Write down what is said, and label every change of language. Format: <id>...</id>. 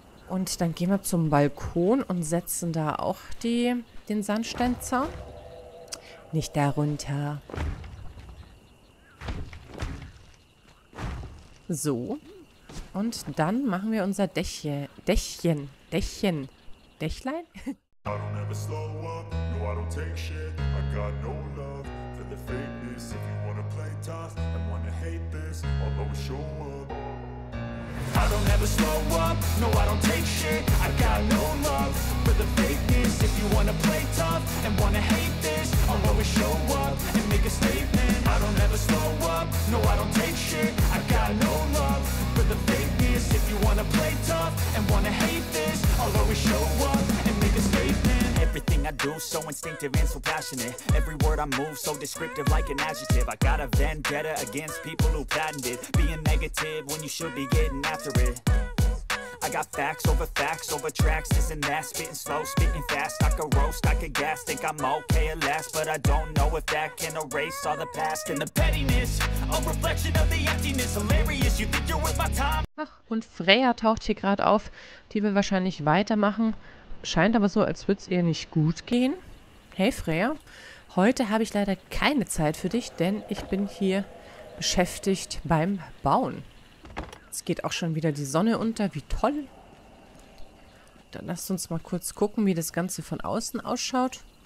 <de>Und dann gehen wir zum Balkon und setzen da auch den Sandsteinzaun. Nicht darunter. So. Und dann machen wir unser Dächlein?</de> <en>I don't ever slow up, no I don't take shit, I got no love for the fakeness. If you wanna play tough and wanna hate this, I'll always show up. I don't ever slow up, no I don't take shit, I got no love for the fakeness. If you wanna play tough and wanna hate this, I'll always show up and make a statement. I don't ever slow up, no I don't take shit, I got no love for the fakeness. If you wanna play tough and wanna hate this, I'll always show up. Everything I do so instinctive and so passionate. Every word I move so descriptive like an adjective. I got a vendetta against people who patented being negative when you should be getting after it. I got facts over tracks, this and that. Spitting slow, spitting fast. I could roast, I could gas. Think I'm okay at last, but I don't know if that can erase all the past. And the pettiness, a reflection of the emptiness. Hilarious, you think you're worth my time.</en> <de>Ach, und Freya taucht hier gerade auf. Die will wahrscheinlich weitermachen. Scheint aber so, als würde es ihr nicht gut gehen. Hey Freya, heute habe ich leider keine Zeit für dich, denn ich bin hier beschäftigt beim Bauen. Es geht auch schon wieder die Sonne unter, wie toll. Dann lasst uns mal kurz gucken, wie das Ganze von außen ausschaut.</de>